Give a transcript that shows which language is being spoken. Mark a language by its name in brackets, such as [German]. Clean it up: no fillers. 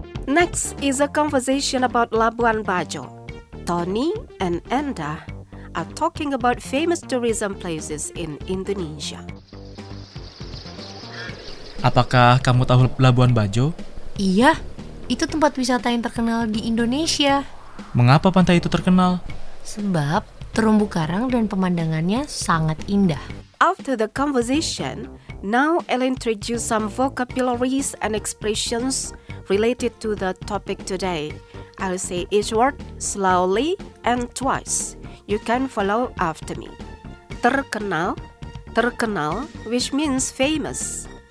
[English] Next is a conversation about Labuan Bajo. Tony and Enda are talking about famous tourism places in Indonesia. [Indonesian] Apakah kamu tahu Labuan Bajo? Iya, itu tempat wisata yang terkenal di Indonesia. Mengapa pantai itu terkenal? Sebab terumbu karang dan pemandangannya sangat indah. [English] After the conversation, now I'll introduce some vocabularies and expressions related to the topic today. I'll say each word slowly and twice. You can follow after me. Terkenal, terkenal, which means famous.